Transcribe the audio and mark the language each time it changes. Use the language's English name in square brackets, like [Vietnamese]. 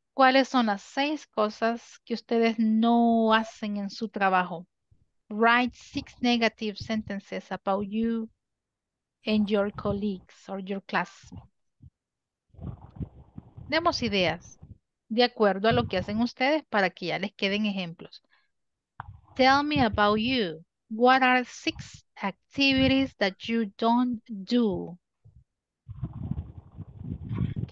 [Spanish] ¿Cuáles son las seis cosas que ustedes no hacen en su trabajo? [English] Write six negative sentences about you and your colleagues or your classmates. [Spanish] Demos ideas de acuerdo a lo que hacen ustedes para que ya les queden ejemplos. [English] Tell me about you. What are six activities that you don't do? Ok.